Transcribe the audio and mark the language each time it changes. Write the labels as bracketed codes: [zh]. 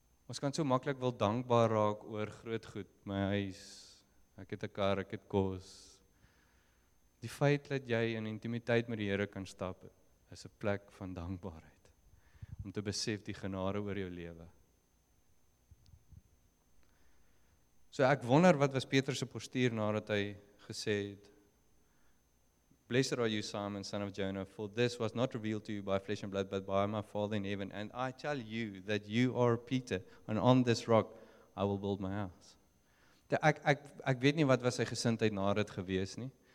[af] Ons kan so maklik wel dankbaar raak oor groot goed, my huis, ek het 'n kar, ek het kos. Die feit dat jy in intimiteit met die Here kan stap, is 'n plek van dankbaarheid. Om te besef die genade oor jou lewe. So ek wonder wat was Petrus se postuur nadat hy gesê het, [en] "Blessed are you, Simon, son of Jonah, for this was not revealed to you by flesh and blood, but by my Father in heaven. And I tell you that you are Peter, and on this rock I will build my house." [af] Ek weet nie wat was sy gesindheid nadat gewees nie.